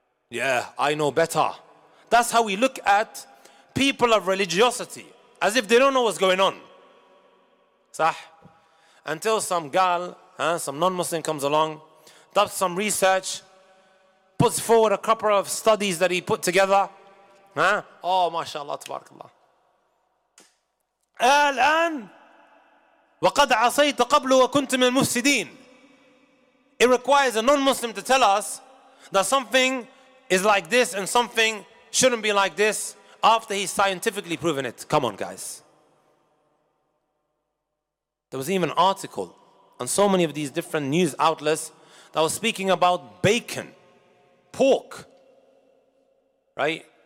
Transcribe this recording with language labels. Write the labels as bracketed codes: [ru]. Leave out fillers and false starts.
[en] Yeah, I know better. That's how we look at people of religiosity. As if they don't know what's going on. Sah? Until some gal, some non-Muslim comes along, does some research, puts forward a couple of studies that he put together. Oh, mashallah, tabarakallah. [ar] Al-an, وَقَدْ عَصَيْتَ قَبْلُ وَكُنْتَ مِنْ الْمُفْسِدِينَ. [en] It requires a non-Muslim to tell us that something is like this and something shouldn't be like this. After he's scientifically proven it. Come on, guys. There was even an article on so many of these different news outlets that was speaking about bacon, pork, right?